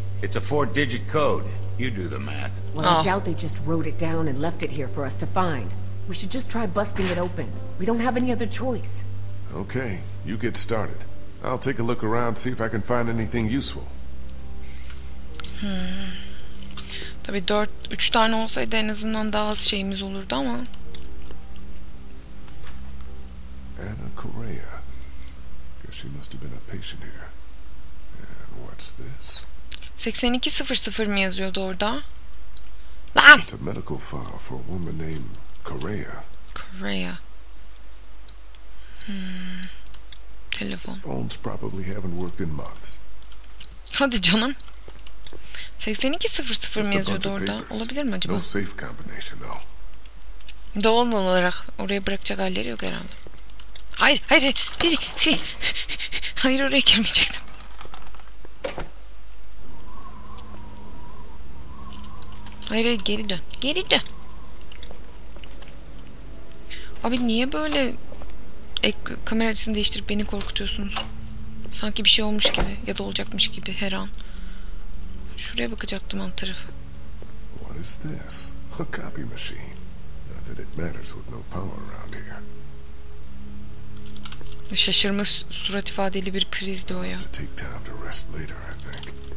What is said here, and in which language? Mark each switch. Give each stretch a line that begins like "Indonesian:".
English: It's a 4-digit code. You do the math. Well, I doubt they just wrote it down and left it here for us to find. We should just try busting it open. We don't have any other choice. Okay, you get started. I'll take a look around, see if I can find anything useful.
Turkish: Tabii 4-3 tane olsaydı en azından daha az şeyimiz olurdu ama.
English: Anna Correa. Guess she must have been a patient here. And what's this?
Turkish: 8200 mi yazıyordu orada?
English: It's a medical file for a woman named Correa. Correa.
Turkish: Telefon.
English: Phones probably haven't worked in months.
Turkish: Hadi canım. 8200 mi yazıyordu orada? Olabilir mi acaba?
English: No safe combination though.
Turkish: Doğal olarak oraya bırakacak halleri yok herhalde. Hayır, hayır, hayır, hayır. Hayır, oraya girmeyecektim. Hayır, hayır, geri dön. Geri dön. Abi niye böyle kamera açısını değiştirip beni korkutuyorsunuz? Sanki bir şey olmuş gibi ya da olacakmış gibi her an. Şuraya bakacaktım an tarafı.
English: What is this? A copy machine. Not that it matters with no power around here.
Turkish: Şaşırmış surat ifadeli bir krizdi o ya.
English: Take time to rest later, I think.